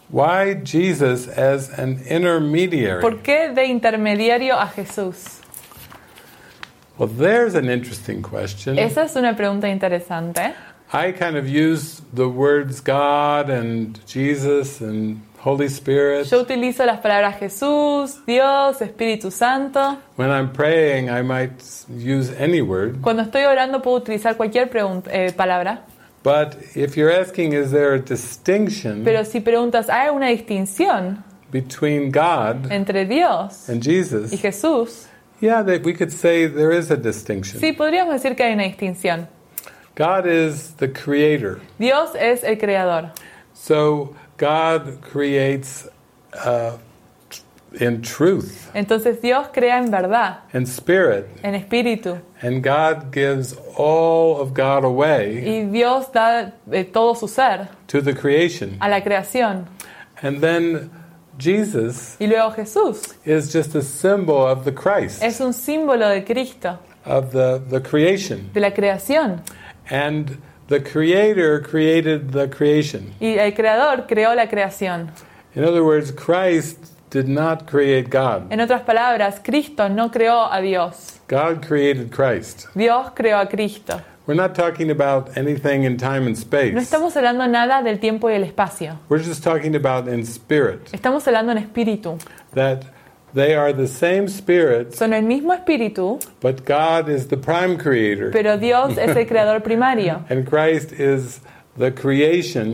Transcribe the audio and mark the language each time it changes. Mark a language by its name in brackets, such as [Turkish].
[English] Why Jesus as an intermediary? [Spanish] ¿Por qué de intermediario a Jesús? [English] Well, there's an interesting question. [Spanish] Esa es una pregunta interesante. [English] I kind of use the words God and Jesus and Holy Spirit. [Spanish] Yo utilizo las palabras Jesús, Dios, Espíritu Santo. [English] When I'm praying, I might use any word. [Spanish] Cuando estoy orando puedo utilizar cualquier palabra. [English] But if you're asking, is there a distinction? [Spanish] Pero si preguntas, ¿hay una distinción? [English] Between God. [Spanish] Entre Dios. [English] And Jesus. [Spanish] Y Jesús. [English] Yeah, that we could say there is a distinction. [Spanish] Sí, podríamos decir que hay una distinción. [English] God is the creator. [Spanish] Dios es el creador. [English] So. God creates in truth. [Spanish] Entonces Dios crea en verdad. [English] In spirit. [Spanish] En espíritu. [English] And God gives all of God away. [Spanish] Y Dios da todo su ser. [English] To the creation. [Spanish] A la creación. [English] And then Jesus. [Spanish] Y luego Jesús. [English] Is just a symbol of the Christ. [Spanish] Es un símbolo de Cristo. [English] Of the creation. [Spanish] De la creación. [English] And the creator created the creation. [Spanish] Y el creador creó la creación. [English] In other words, Christ did not create God. [Spanish] En otras palabras, Cristo no creó a Dios. [English] God created Christ. [Spanish] Dios creó a Cristo. [English] We're not talking about anything in time and space. [Spanish] No estamos hablando nada del tiempo y el espacio. [English] We're just talking about in spirit. [Spanish] Estamos hablando en espíritu. [English] That they are the same spirit. [Spanish] Son el mismo espíritu. [English] But God is the prime creator. [Spanish] Pero Dios es el creador primario. [English] And Christ is the creation.